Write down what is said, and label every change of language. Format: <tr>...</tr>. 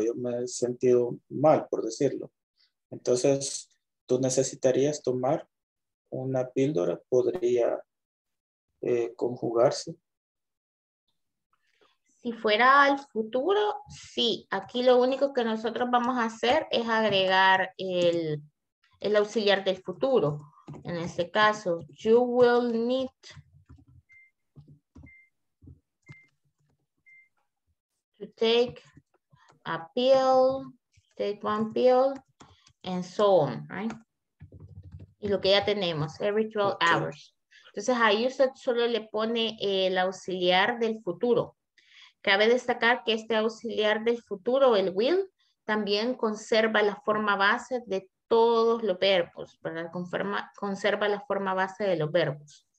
<es>Yo me he sentido mal, por decirlo. Entonces, ¿tú necesitarías tomar una píldora? ¿Podría conjugarse? Si fuera al futuro, sí. Aquí lo único que nosotros vamos a hacer es agregar el auxiliar del futuro. En este caso,</es> <en>you will need to take a pill, take one pill, and so on, right?</en> <es>Y lo que ya tenemos,</es> <en>every 12 hours.</en> <es>Entonces ahí usted solo le pone el auxiliar del futuro. Cabe destacar que este auxiliar del futuro, el will, también conserva la forma base de todos los verbos, ¿verdad? Conserva la forma base de los verbos.</es>